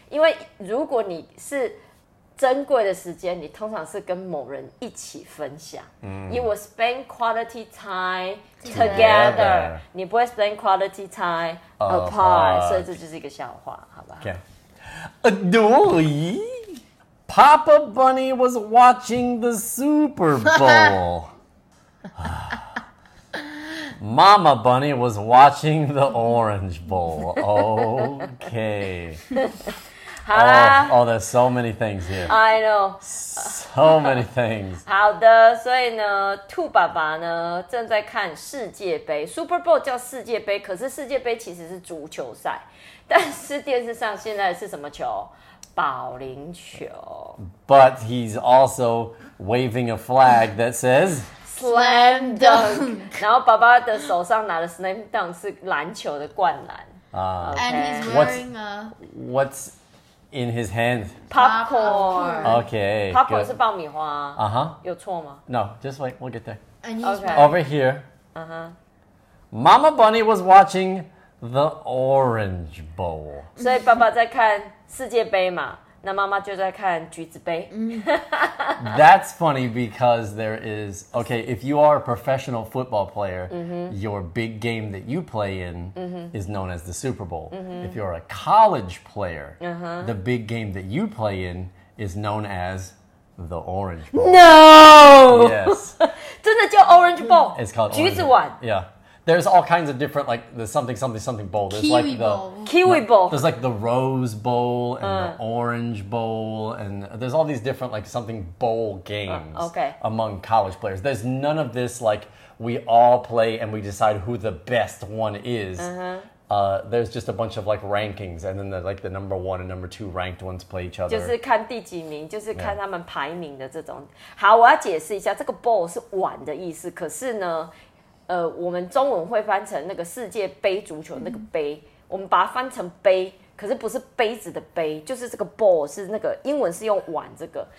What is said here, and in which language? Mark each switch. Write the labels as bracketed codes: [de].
[zh] 因为如果你是珍贵的时间，你通常是跟某人一起分享。 [en] You will spend quality time together. [zh] 你不会 [en] spend quality time apart. [zh] 所以这就是一个笑话，好吧 [en] ？Adoy, Papa Bunny was watching the Super Bowl. Mama Bunny was watching the Orange Bowl. Okay. Oh, there's so many things here. I know. So many things. [zh] 好的，所以呢，兔爸爸呢正在看世界杯 ，Super Bowl 叫世界杯，可是世界杯其实是足球赛，但是电视上现在是什么球？保龄球。 [en] But he's also waving a flag that says [zh] Slam Dunk. 然后爸爸的手上拿的 Slam Dunk 是篮球的灌篮。 [en] And he's wearing what's in his hand. Popcorn. Okay. [zh] Popcorn 是爆米花。 [en] Uh-huh. [zh] 有错吗？ [en] No, just wait, we'll get there. Okay. Over here. Uh-huh. Mama Bunny was watching the orange bowl. [zh] 所以爸爸在看世界杯嘛，那妈妈就在看橘子杯。 [en] That's funny because there is, okay, if you are a professional football player,、 mm-hmm. your big game that you play in、 mm-hmm. is known as the Super Bowl.、 Mm-hmm. If you're a college player,、 uh-huh. the big game that you play in is known as the Orange Bowl. No! Yes. [zh] 真的叫 Orange Bowl. [en] It's called Orange Bowl. [zh] 橘子碗. [en] Yeah. There's all kinds of different, like, there's something, something, something bowl. There's Kiwi like the, bowl. Kiwi bowl. There's like the rose bowl and the orange bowl. And there's all these different, like, something bowl games among college players. There's none of this, like, we all play and we decide who the best one is. Uh-huh. There's just a bunch of, like, rankings. And then, the, like, the number one and number two ranked ones play each other. [zh] 就是看第几名，就是看他们排名的这种。好，我要解释一下，这个 bowl 是碗的意思，可是呢我们中文会翻成那个世界杯足球那个杯、嗯、我们把它翻成杯，可是不是杯子的杯，就是这个 ball 是那个英文是用碗这个。